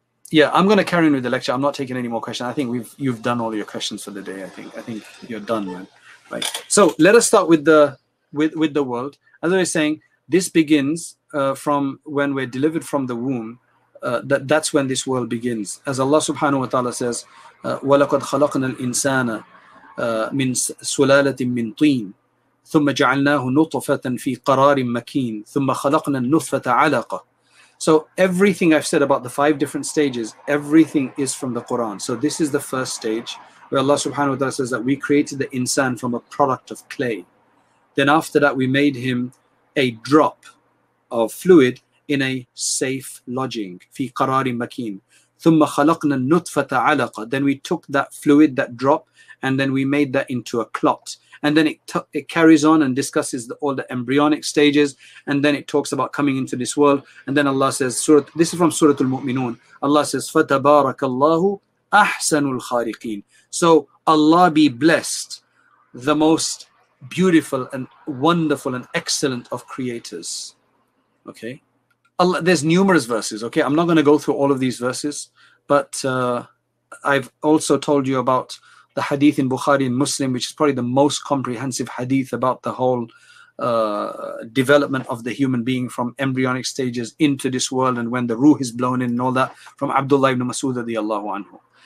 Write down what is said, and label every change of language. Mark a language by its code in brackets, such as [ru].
[en] Yeah, I'm going to carry on with the lecture. I'm not taking any more questions. I think you've done all your questions for the day. I think you're done, man. Right. So let us start with the world. As I was saying, this begins from when we're delivered from the womb. That's when this world begins. As Allah subhanahu wa ta'ala says, [ar] وَلَقَدْ خَلَقْنَا الْإِنسَانَ مِنْ سُلَالَةٍ مِنْ طِينٍ ثُمَّ جَعَلْنَاهُ نُطْفَةً فِي قَرَارٍ مَكِينٍ ثُمَّ خَلَقْنَا النُّطْفَةَ عَلَقَةً. [en] So everything I've said about the five different stages, everything is from the Quran. So this is the first stage where Allah subhanahu wa ta'ala says that we created the insan from a product of clay. Then after that, we made him a drop of fluid in a safe lodging. [ar] Fi qararin makin. Thumma khalaqna nutfata alaqa. [en] Then we took that fluid, that drop, and then we made that into a clot. And then it carries on and discusses all the embryonic stages. And then it talks about coming into this world. And then Allah says, this is from Surah Al-Mu'minun. Allah says, [ar] فَتَبَارَكَ أَحْسَنُ الْخَارِقِينَ. [en] So Allah be blessed, the most beautiful and wonderful and excellent of creators. Okay. Allah, there's numerous verses. Okay. I'm not going to go through all of these verses. But I've also told you about the hadith in Bukhari and Muslim, which is probably the most comprehensive hadith about the whole development of the human being from embryonic stages into this world and when the ruh is blown in and all that, from Abdullah ibn Mas'ud radiallahu anhu.